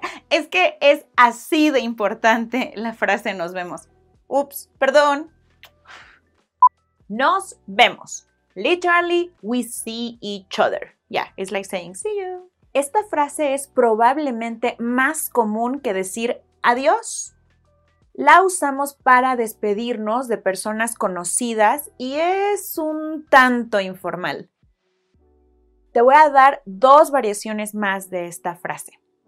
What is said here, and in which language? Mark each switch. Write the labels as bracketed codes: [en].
[es] Es que es así de importante la frase nos vemos. Ups, perdón. Nos vemos. [en] Literally, we see each other. Yeah, it's like saying see you. [es] Esta frase es probablemente más común que decir adiós. La usamos para despedirnos de personas conocidas y es un tanto informal. Te voy a dar 2 variaciones más de esta frase.